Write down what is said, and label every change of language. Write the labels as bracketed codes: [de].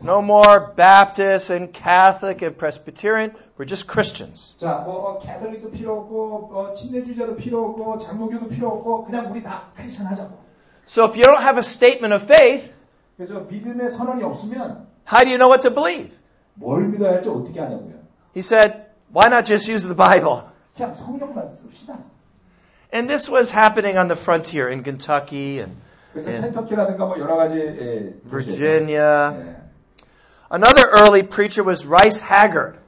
[en] No more Baptist and Catholic and Presbyterian. We're just Christians. [ko] 자, 뭐 가톨릭도 필요 없고, 침례주의자도 필요 없고, 장로교도 필요 없고, 그냥 우리 다 크리스천 하자고. [en] So if you don't have a statement of faith, [ko] 그래서 믿음의 선언이 없으면, [en] how do you know what to believe? [ko] 뭘 믿어야 할지 어떻게 아냐고요? [en] He said, why not just use the Bible? [ko] 그냥 성경만 씁시다. [en] And this was happening on the frontier in Kentucky and. [ko] 켄터키라든가 뭐 여러 가지 [en] Virginia. 네. Another early preacher was Rice Haggard.